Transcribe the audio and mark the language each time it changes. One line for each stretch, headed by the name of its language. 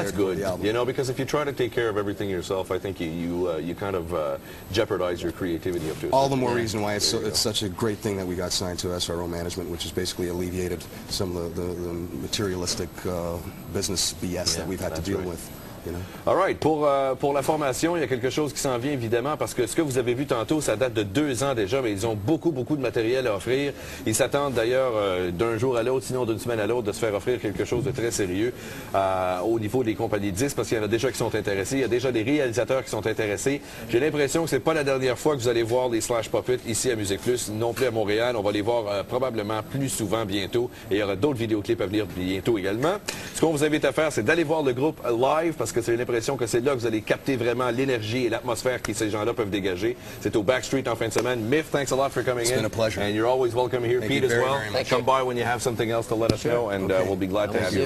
English: Well, that's good, you know, because if you try to take care of everything yourself, I think you kind of jeopardize your creativity up to all the more reason why it's such a great thing that we got signed to SRO Management, which has basically alleviated some of the materialistic business BS that we've had to deal with. You know? All right.
French: Pour la formation, il y a quelque chose qui s'en vient, évidemment, parce que ce que vous avez vu tantôt, ça date de 2 ans déjà, mais ils ont beaucoup, beaucoup de matériel à offrir. Ils s'attendent d'ailleurs d'un jour à l'autre, sinon d'une semaine à l'autre, de se faire offrir quelque chose de très sérieux au niveau des compagnies de disques, parce qu'il y en a déjà qui sont intéressés. Il y a déjà des réalisateurs qui sont intéressés. J'ai l'impression que ce n'est pas la dernière fois que vous allez voir les Slash Puppet ici à Musique Plus, non plus à Montréal. On va les voir probablement plus souvent bientôt, et il y aura d'autres vidéoclips à venir bientôt également. Ce qu'on vous invite à faire, c'est d'aller voir le groupe live, parce que j'ai l'impression que c'est là que vous allez capter vraiment l'énergie et l'atmosphère que ces gens-là peuvent dégager. C'est au Backstreet en fin de semaine. Miff,
English: thanks a lot for coming It's been a pleasure. And you're always welcome here. Thank Pete very, as well. Very much. Come by when you have something else to let us know, and we'll be glad to have you.